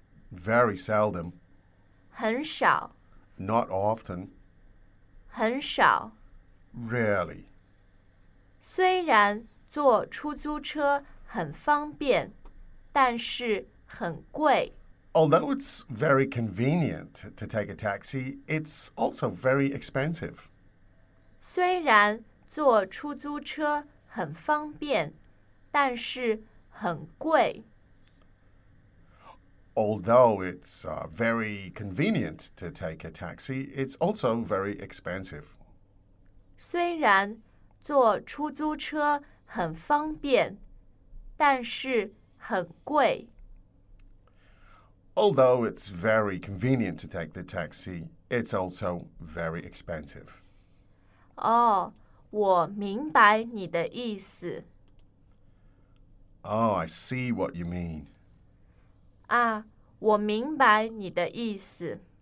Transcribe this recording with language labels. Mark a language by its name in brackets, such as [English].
[English] Very seldom. [Chinese] 很少。 [English] Not often. [Chinese] 很少。 [English] Rarely. [Chinese] 虽然坐出租车很方便,但是很贵。 [English] Although it's very convenient to take a taxi, it's also very expensive. [Chinese] 虽然坐出租车很方便,但是很贵。 [English] Although it's very convenient to take a taxi, it's also very expensive. [Chinese] 虽然坐出租车很方便,但是很贵。 [English] Although it's very convenient to take the taxi, it's also very expensive. [Chinese] 哦，我明白你的意思。 [English] Oh, I see what you mean. [Chinese] 啊，我明白你的意思。